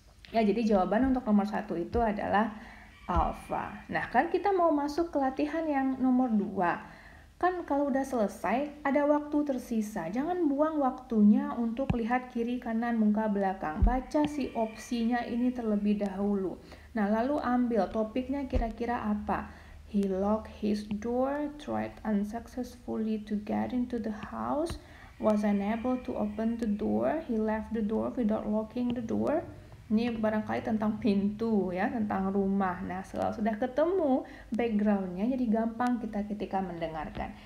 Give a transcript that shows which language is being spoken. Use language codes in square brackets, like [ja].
[id] Ya, jadi jawaban untuk nomor 1 itu adalah Alpha. Nah, kan kita mau masuk ke latihan yang nomor 2. Kan kalau udah selesai, ada waktu tersisa. Jangan buang waktunya untuk lihat kiri, kanan, muka, belakang. Baca si opsinya ini terlebih dahulu. Nah, lalu ambil topiknya kira-kira apa. [en] He locked his door, tried unsuccessfully to get into the house, was unable to open the door, he left the door without locking the door. [id] Ini barangkali tentang pintu ya, tentang rumah. Nah, setelah sudah ketemu backgroundnya, jadi gampang kita ketika mendengarkan.